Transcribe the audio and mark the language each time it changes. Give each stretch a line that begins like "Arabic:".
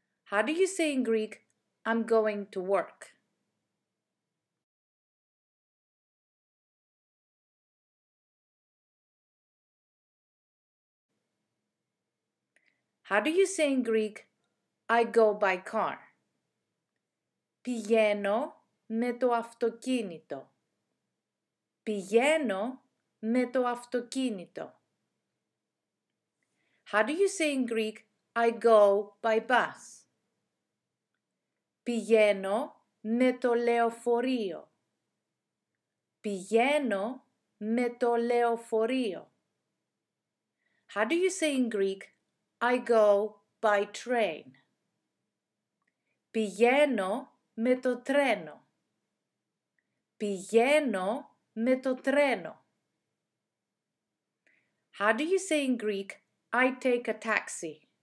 English: How do you say in Greek, I'm going to work? How do you say in Greek, I go by car?
Greek: Πηγαίνω με το αυτοκίνητο. Πηγαίνω με το αυτοκίνητο.
English: How do you say in Greek, I go by bus?
Greek: Πηγαίνω με το λεωφορείο. Πηγαίνω με το λεωφορείο.
English: How do you say in Greek, I go by train?
Greek: Πηγαίνω με το τρένο. Πηγαίνω με το τρένο.
English: How do you say in Greek, I take a taxi?